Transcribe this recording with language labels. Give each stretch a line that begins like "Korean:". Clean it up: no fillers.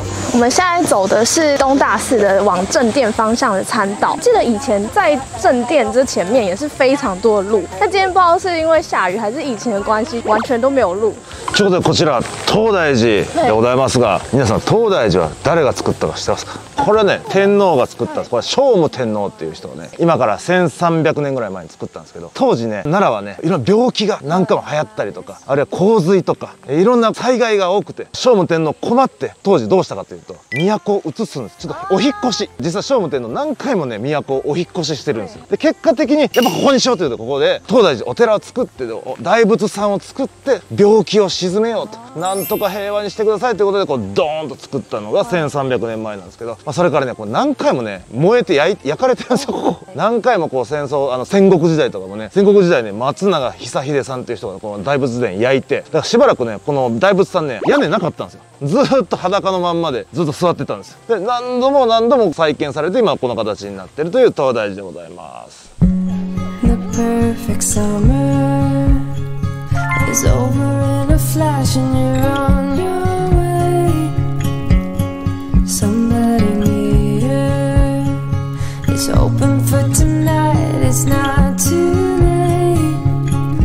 Chinese: 我们现在走的是东大寺的往正殿方向的参道。记得以前在正殿这前面也是非常多的路，但今天不知道是因为下雨还是疫情的关系，完全都没有路。
Japanese: ちょうどこちら東大寺でございますが、皆さん東大寺は誰が作ったか知ってますか？これはね、天皇が作った、これ聖武天皇っていう人がね、今から1300年ぐらい前に作ったんですけど、当時ね、奈良はね、いろんな病気が何回も流行ったりとか、あるいは洪水とか、いろんな災害が多くて、聖武天皇困って、当時どうしたかというと、都を移すんです。ちょっとお引越し。実は聖武天皇何回もね、都をお引越ししてるんですよ。で、結果的に、やっぱここにしようというと、ここで、東大寺お寺を作って、大仏さんを作って、病気を沈めようと。なんとか平和にしてくださいということで、こう、ドーンと作ったのが1300年前なんですけど、それからね、こう何回もね、燃えて 焼かれてるんですよ、ここ。何回もこう戦争、戦国時代とかもね、戦国時代ね、松永久秀さんっていう人がこの大仏殿焼いて、だからしばらくね、この大仏さんね、屋根なかったんですよ。ずっと裸のまんまでずっと座ってたんですよ。で、何度も何度も再建されて、今この形になってるという東大寺でございます。
English: The perfect summer is over in a flash and you're on your way. Somebody near is open for tonight, it's not too late.